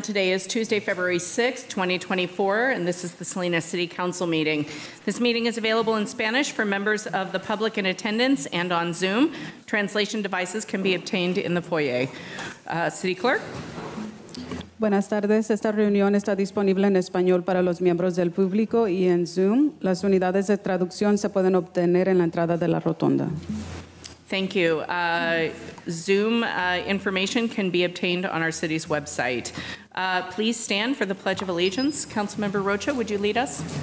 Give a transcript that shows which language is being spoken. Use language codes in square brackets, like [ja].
[en] Today is Tuesday, February 6, 2024, and this is the Salinas City Council meeting. This meeting is available in Spanish for members of the public in attendance and on Zoom. Translation devices can be obtained in the foyer. City Clerk? [es] Buenas tardes. Esta reunión está disponible en español para los miembros del público y en Zoom. Las unidades de traducción se pueden obtener en la entrada de la rotonda. [en] Thank you. Zoom information can be obtained on our city's website. Please stand for the Pledge of Allegiance. Councilmember Rocha, would you lead us?